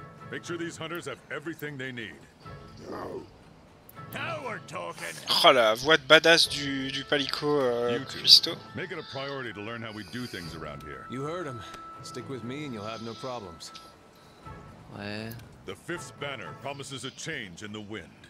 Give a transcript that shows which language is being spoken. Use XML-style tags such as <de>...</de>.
<en>Make sure these hunters have everything they need. Now we're talking.</en> <fr>Oh la voix de badass du palico Cristo.</fr> <en>Make it a priority to learn how we do things around here. You heard him. Stick with me and you'll have no problems.</en> <fr>Ouais.</fr> <en>The fifth banner promises a change in the wind.</en>